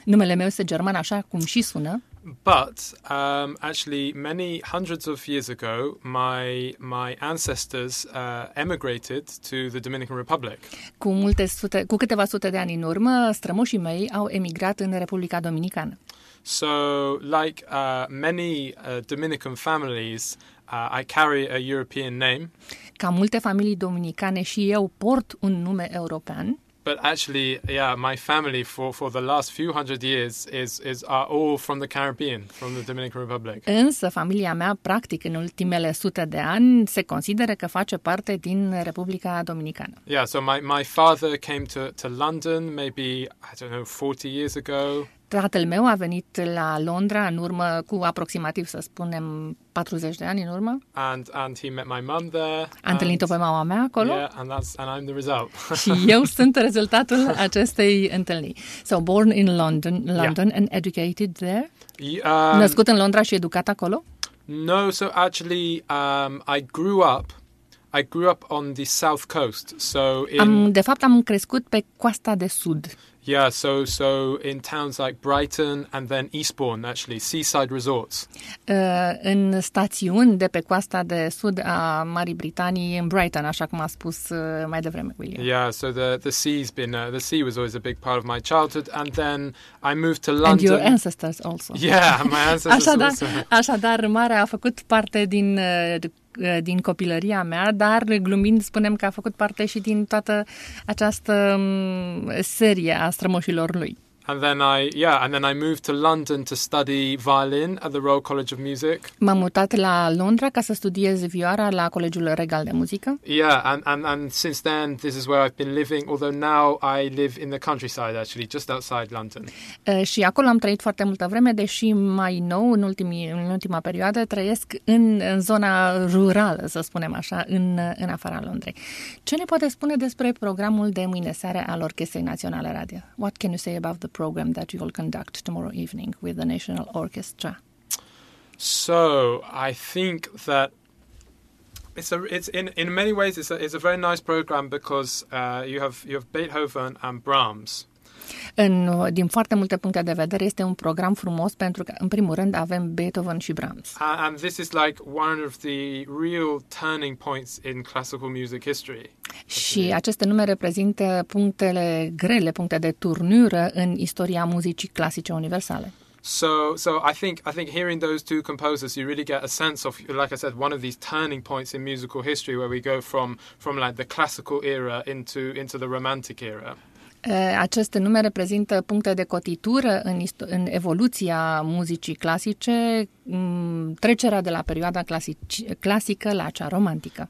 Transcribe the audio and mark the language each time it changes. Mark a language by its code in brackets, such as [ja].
[ro] Numele meu este german, așa cum și sună. [en] But actually, many hundreds of years ago, my ancestors emigrated to the Dominican Republic. [ro] Cu câteva sute de ani în urmă, strămoșii mei au emigrat în Republica Dominicană. [en] So, like many Dominican families, I carry a European name. [ro] Ca multe familii dominicane și eu port un nume european. [en] But actually, yeah, my family for the last few hundred years is are all from the Caribbean, from the Dominican Republic. [ro] Însă familia mea practic în ultimele sute de ani se consideră că face parte din Republica Dominicană. [en] Yeah, so my father came to London maybe, I don't know, 40 years ago. [ro] Tatăl meu a venit la Londra în urmă cu aproximativ, să spunem, 40 de ani în urmă. [en] And he met my mum there. [ro] A întâlnit-o pe mama mea acolo. [en] Yeah, and I'm the result. [ro] Și eu sunt rezultatul acestei întâlniri. [en] So born in London yeah. And educated there. [ro] Născut în Londra și educat acolo? [en] No, so actually I grew up on the south coast. So [ro] am crescut pe coasta de sud. [en] Yeah, so in towns like Brighton and then Eastbourne, actually, seaside resorts. [ro] În stațiuni de pe coasta de sud a Marii Britanii, în Brighton, așa cum a spus mai devreme William. [en] Yeah, so the sea was always a big part of my childhood. And then I moved to London. And your ancestors also. Yeah, my ancestors [ro] așadar, [en] also. [ro] Așadar, marea a făcut parte din copilăria mea, dar glumind spunem că a făcut parte și din toată această serie a strămoșilor lui. [en] And then I moved to London to study violin at the Royal College of Music. [ro] M-am mutat la Londra ca să studiez vioara la Colegiul Regal de Muzică. [en] Yeah, and since then this is where I've been living, although now I live in the countryside actually, just outside London. [ro] Și acolo am trăit foarte multă vreme, deși mai nou în ultima perioadă trăiesc în zona rurală, să spunem așa, în afara Londrei. Ce ne poate spune despre programul de mâine seară al Orchestrei Naționale Radio? [en] What can you say about the program that you will conduct tomorrow evening with the National Orchestra? So I think that it's in many ways it's a very nice program because you have Beethoven and Brahms. [ro] Din foarte multe puncte de vedere este un program frumos pentru că în primul rând avem Beethoven și Brahms. [en] And this is like one of the real turning points in classical music history. [ro] Și aceste nume reprezintă punctele grele, puncte de turnură în istoria muzicii clasice universale. [en] So I think hearing those two composers, you really get a sense of, like I said, one of these turning points in musical history where we go from like the classical era into the romantic era. [ro] Aceste nume reprezintă puncte de cotitură în evoluția muzicii clasice, trecerea de la perioada clasică la cea romantică.